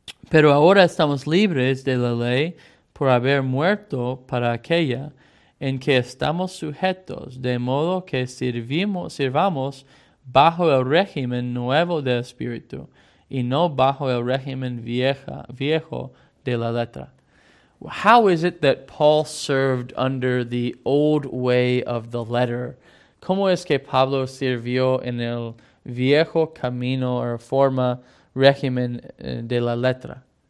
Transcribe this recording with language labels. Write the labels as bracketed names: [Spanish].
[Spanish] Pero ahora estamos libres de la ley por haber muerto para aquella en que estamos sujetos, de modo que sirvamos bajo el régimen nuevo del espíritu y no bajo el régimen viejo de la letra. [English] How is it that Paul served under the old way of the letter? [Spanish] ¿Cómo es que Pablo sirvió en el viejo camino o forma régimen de la letra?